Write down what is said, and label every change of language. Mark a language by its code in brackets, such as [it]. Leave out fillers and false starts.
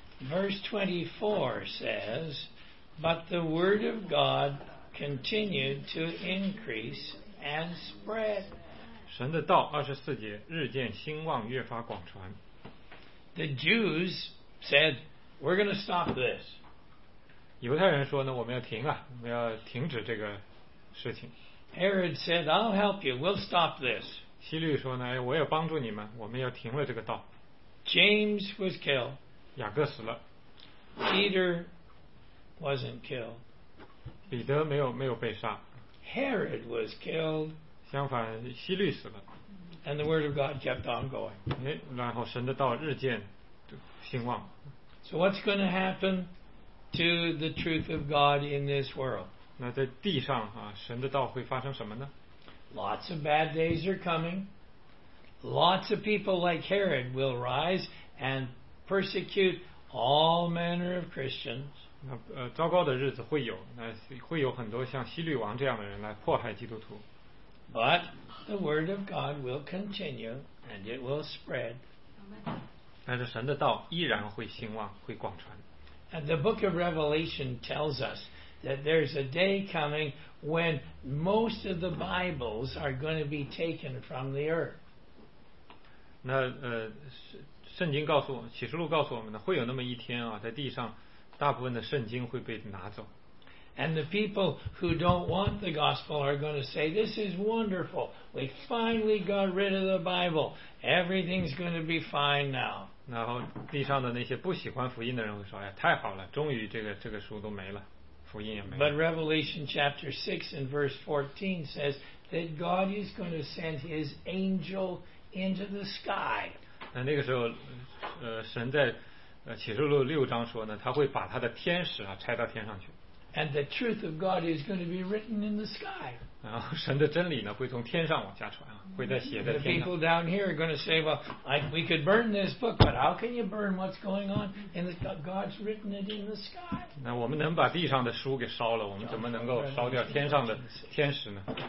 [en] Verse 24 says, But the word of God continued to increase and spread. [zh] 神的道二十四节日渐兴旺，越发广传。 [en] The Jews said, "We're going to stop this." [zh] 犹太人说呢，我们要停啊，我们要停止这个事情。 [en] Herod said, "I'll help you. We'll stop this." [zh] 希律说呢，我也帮助你们，我们要停了这个道。 [en] James was killed. [zh] 雅各死了。 [en] Peter wasn't killed. [zh] 彼得没有被杀。 [en] Herod was killed. [zh] 相反，希律死了。 [en] And the word of God kept on going. [zh] 然后神的道日渐兴旺。 [en] So what's going to happen to the truth of God in this world? [zh] 那在地上啊，神的道会发生什么呢？ [en] Lots of bad days are coming. Lots of people like Herod will rise and persecute all manner of Christians. [zh] 那糟糕的日子会有，那会有很多像希律王这样的人来迫害基督徒。 [en] But the word of God will continue and it will spread. [zh] 但是神的道依然会兴旺，会广传。 [en] And the book of Revelation tells us that there's a day coming when most of the Bibles are going to be taken from the earth. [zh] 那圣经告诉我们，启示录告诉我们呢，会有那么一天啊，在地上大部分的圣经会被拿走。 [en] And the people who don't want the gospel are going to say, this is wonderful. We finally got rid of the Bible. Everything's going to be fine now. [zh] 然后地上的那些不喜欢福音的人会说，哎，太好了，终于这个书都没了，福音也没了。 [en] But Revelation chapter 6 and verse 14 says that God is going to send his angel into the sky. [zh] 那个时候，神在启示录六章说呢，他会把他的天使啊拆到天上去。 [en] And the truth of God is going to be written in the sky. [zh] 然后神的真理呢，会从天上往下传啊，会在写在天上。 [en] The people down here are going to say, "Well, we could burn this book, but how can you burn what's going on? God's written it in the sky." [zh] 那我们能把地上的书给烧了，我们怎么能够烧掉天上的天使呢？